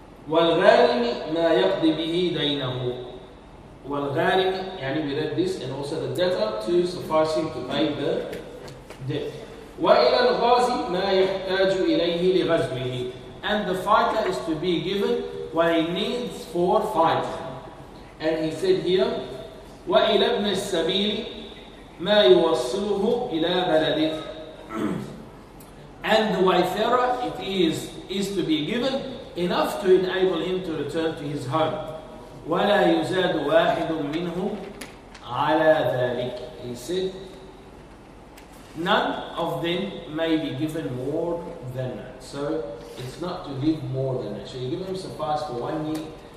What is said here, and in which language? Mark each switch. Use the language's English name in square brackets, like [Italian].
[Arabic] وَالْغَارِمِ مَا يَقْضِ بِهِ دَيْنَهُ. وَالْغَارِمِ, [English] يعني we read this, and also the debtor to suffice him to pay the debt. [Arabic] وَإِلَى الْغَازِ مَا يَحْتَاجُ إِلَيْهِ لِغَزْوِهِ. [English] And the fighter is to be given what he needs for fighting. And he said here, [Arabic] وَإِلَى ابْنِ السَّبِيلِ مَا يُوَصِّلُهُ إِلَى بَلَدِهِ. [English] And the wayfarer, it is to be given enough to enable him to return to his home. [Arabic] وَلَا يُزَادُ وَاحِدٌ مِّنْهُمْ عَلَى ذَلِكَ. [English] He said, none of them may be given more than that. So, it's not to give more than that. So you give him suffice for 1 year,